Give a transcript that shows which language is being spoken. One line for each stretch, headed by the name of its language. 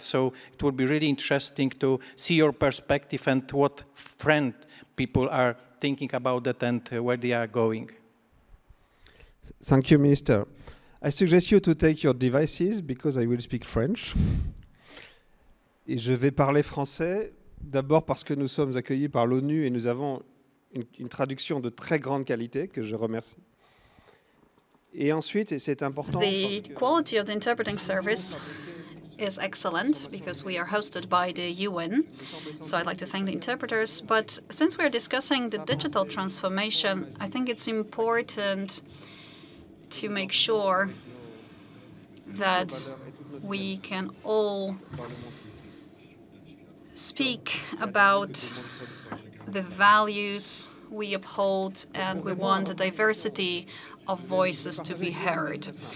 English: So it would be really interesting to see your perspective and what French people are thinking about it and where they are going. Thank you, Minister. I suggest you to take your devices because I will speak French.
French: Et je vais parler français d'abord parce que nous sommes accueillis par l'ONU et nous avons une traduction de très grande qualité que je remercie. Et ensuite, et c'est important,
English: the quality of the interpreting service is excellent because we are hosted by the UN. So I'd like to thank the interpreters. But since we are discussing the digital transformation, I think it's important to make sure that we can all speak about the values we uphold, and we want a diversity of voices to be heard.